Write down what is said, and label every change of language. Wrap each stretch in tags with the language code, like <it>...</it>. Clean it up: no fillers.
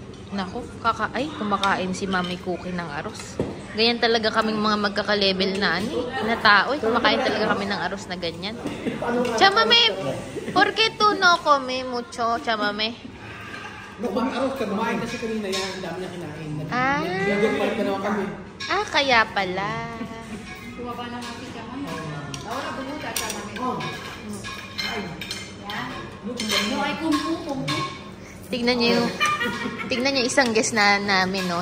<tl>Nako, kaka ay kumakain si Mami Cookie ng aros. Ganyan talaga kaming mga magkaka-level na ani, na tao, kumakain talaga kami ng aros na ganyan.</tl> <es>Chamame, por qué tú no comes mucho, chamame?</es> <tl>Kumakain kasi kami na yan, ang dami niya kinain. Nag-dinner party na kami. Ah, kaya pala. Kumakain na kami. Tignan niyo yung, tignan niyo isang guest na namin, no?</tl>